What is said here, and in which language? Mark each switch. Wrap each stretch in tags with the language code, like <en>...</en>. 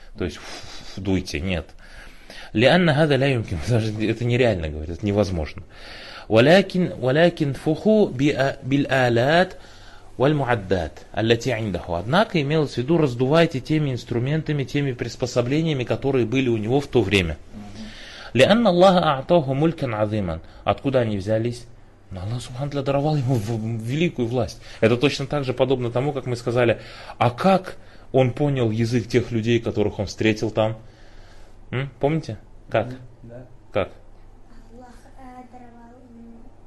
<ru>То есть дуйте, нет.</ru> <ar>Лианна хадаля юмким.</ar> <ru>Это нереально, говорит, это невозможно.</ru> <ar>Валякин фуху биль алят валь муаддат аллати индаху.</ar> <ru>Однако имелось в виду, раздувайте теми инструментами, теми приспособлениями, которые были у него в то время.</ru> <ar>لأن الله أعطاه ملكا عظيما.</ar> <ru>Откуда они взялись? Но Аллах Субхану Тааля даровал ему великую власть. Это точно так же подобно тому, как мы сказали, а как он понял язык тех людей, которых он встретил там? Помните? Как? Да. Как? Аллах даровал ему.</ru>